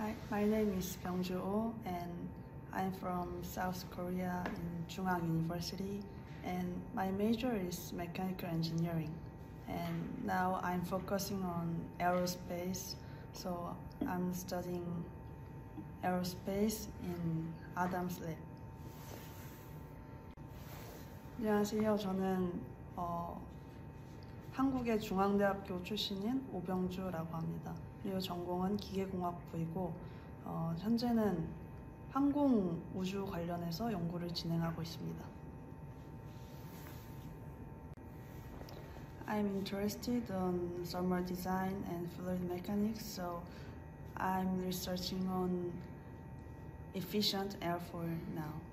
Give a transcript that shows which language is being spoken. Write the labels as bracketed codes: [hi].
[en] my name is ByeongJu, and I'm from South Korea in Chungang University, and my major is mechanical engineering. And now I'm focusing on aerospace, so I'm studying aerospace in Adam's Lab. [ko] 안녕하세요. 저는 한국의 중앙대학교 출신인 오병주라고 합니다. 그리고 전공은 기계공학부이고 현재는 항공 우주 관련해서 연구를 진행하고 있습니다. [en] I'm interested in thermal design and fluid mechanics, so I'm researching on efficient airflow now.